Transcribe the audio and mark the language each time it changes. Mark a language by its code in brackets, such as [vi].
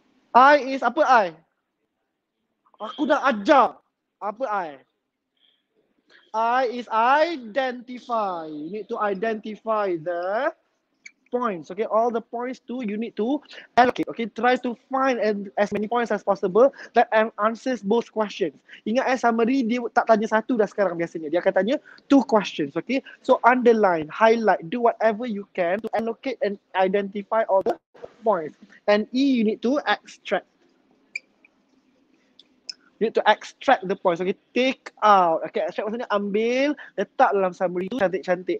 [en] I is [ms] apa I? Aku dah ajar. Apa I? [en] I is identify. You need to identify the points, okay? All the points to you need to allocate, okay? Try to find as many points as possible that answers both questions. [ms] Ingat eh, summary dia tak tanya satu dah sekarang biasanya. Dia akan tanya [en] two questions, [ms] okay? [en] So underline, highlight, do whatever you can to allocate and identify all the points. And E, you need to extract. You need to extract the points, okay? Take out, okay? Extract [ms] maksudnya ambil, letak dalam summary tu cantik-cantik.